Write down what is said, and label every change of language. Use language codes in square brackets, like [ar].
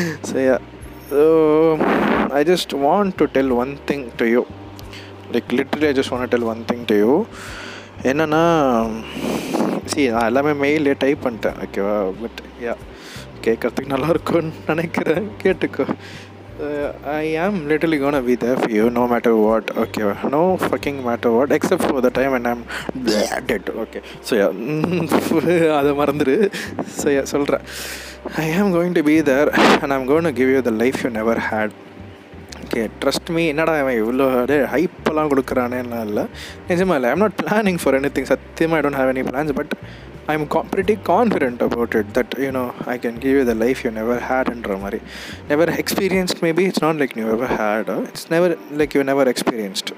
[en] So yeah, so I just want to tell one thing to you, like literally I just want tell one thing to you. [ta] என்னென்னா, C நான் எல்லாமே மெயிலே type பண்ணிட்டேன், ஓகேவா? But yeah, கேட்குறதுக்கு நல்லாயிருக்கும்னு நினைக்கிறேன், கேட்டுக்கோ. [en] I am literally gonna be there for you no matter what, okay? No fucking matter what, except for the time when I'm dead, okay? So yeah, [ta] adha marandru. [en] So yeah, solra, I am going to be there and I'm going to give you the life you never had. Okay, trust me. [ta] என்னடா அவன் இவ்வளோ அப்படியே ஹைப்பெல்லாம் கொடுக்குறானேன்னா இல்லை, நிஜமாக இல்லை. [en] I'm not planning for anything, [ta] சத்தியமாக [en] I don't have any plans. But I am pretty confident about it that you know I can give you the life you never ஹேட்ன்ற மாதிரி. Never experienced maybe, it's not like you ever had, it's never like you never experienced.